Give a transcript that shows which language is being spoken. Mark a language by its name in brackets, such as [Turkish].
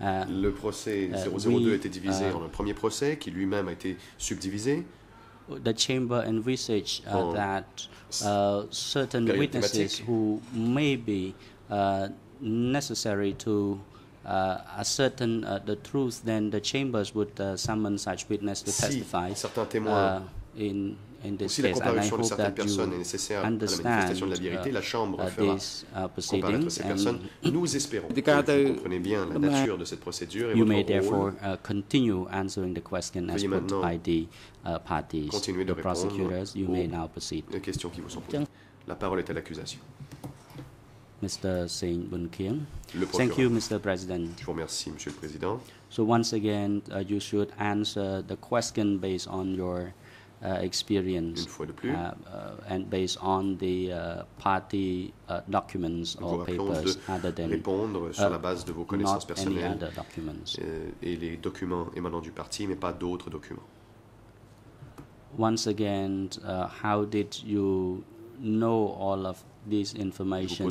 [French] Le procès 002 a été divisé en un premier procès qui lui-même a été subdivisé. [English] The chamber envisaged that certain witnesses who may be necessary to ascertain the truth, then the chambers would summon such witness to testify. [French] Certains témoins [English] in this case, and I hope that you understand these proceedings, and [French] nous espérons que vous comprenez bien la nature de cette procédure et [English] you may therefore continue answering the question as put by the parties. The prosecutors, you may now proceed. [French] Questions qui vous sont posées. La parole est à l'accusation. [English] Mr. Singh Bun Kim. Thank you, Mr. President. [French] Je vous remercie, Monsieur le Président. [English] So once again, you should answer the question based on your experience and based on the party documents or papers other than [French] sur la base de vos connaissances personnelles [English] any other documents. [French] Et les documents émanant du parti, mais pas d'autres documents. [English] Once again, how did you know all of this information?